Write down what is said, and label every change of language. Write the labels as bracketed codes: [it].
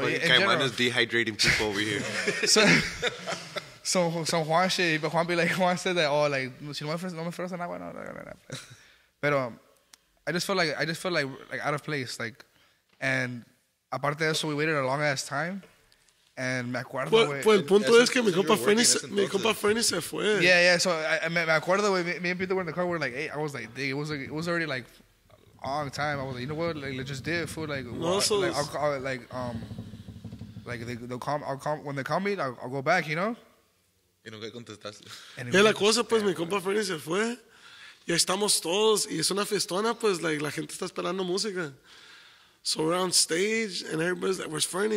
[en] Caimanes dehydrating people over here. So Juan shit, but Juan be like, Juan said that, oh, like, si no me fueras en agua, no, no, no, no. But I just felt like out of place, like, and aparte de eso, we waited a long ass time. [es] And me acuerdo, pues, wey, pues el punto es que mi compa Fernie se fue. [en] Yeah, yeah. So me acuerdo, wey, me and Peter were in the car. We're like, hey, I was like, dig, it was already like. Long time, I was like, you know what, like, let's just do it, fool, like, no, so like, I'll call it, like, Like they'll call me I'll go back, you know. [es] Y nunca contestaste. Es la cosa, pues mi compa Freddy se fue. Y ahí estamos todos y es una festona, pues like, la gente está esperando música. [en] So we're on stage and everybody's like, where's Fernie?